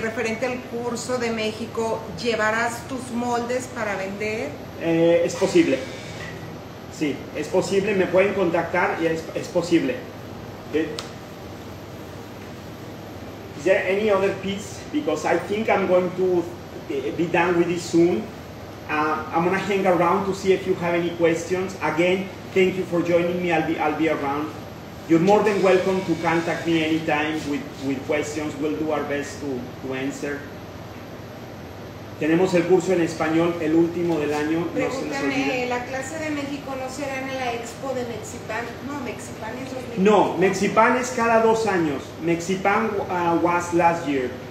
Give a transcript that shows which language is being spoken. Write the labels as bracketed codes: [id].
[es] Referente al curso de México, ¿llevarás tus moldes para vender? Es posible. Sí, es posible, me pueden contactar y es posible. Okay. [en] Is there any other piece? Because I think I'm going to be done with this soon. I'm going to hang around to see if you have any questions. Again, thank you for joining me. I'll be around. You're more than welcome to contact me anytime with questions. We'll do our best to answer. [es] Tenemos el curso en español, el último del año. Pregúntame, no se les olvida. ¿La clase de México no será en la expo de Mexipan? No, Mexipan es 2024. No, Mexipan es cada dos años. Mexipan was last year.